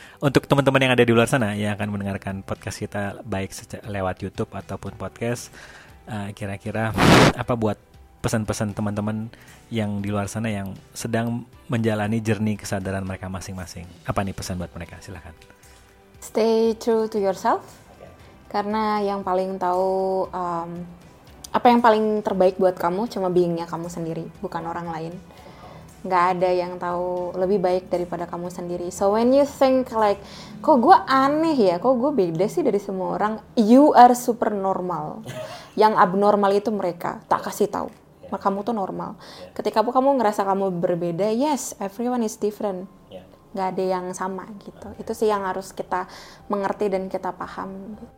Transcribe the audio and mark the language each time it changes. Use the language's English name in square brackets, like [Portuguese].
[Indonesian] Untuk teman-teman yang ada di luar sana yang akan mendengarkan podcast kita baik lewat YouTube ataupun podcast, kira-kira apa buat pesan-pesan teman-teman yang di luar sana yang sedang menjalani jernih kesadaran mereka masing-masing? Apa nih pesan buat mereka? Silakan. [English] Stay true to yourself. [Indonesian] Karena yang paling tahu apa yang paling terbaik buat kamu cuma being-nya kamu sendiri, bukan orang lain. Gak ada yang tahu lebih baik daripada kamu sendiri. [English] So when you think like, [Indonesian] kok gue aneh ya? Kok gue beda sih dari semua orang? [English] You are super normal. [Indonesian] Yang abnormal itu mereka. Tak kasih tahu. Kamu tuh normal. Ketika kamu ngerasa kamu berbeda, [English] yes, everyone is different. [Indonesian] Gak ada yang sama gitu. Itu sih yang harus kita mengerti dan kita paham.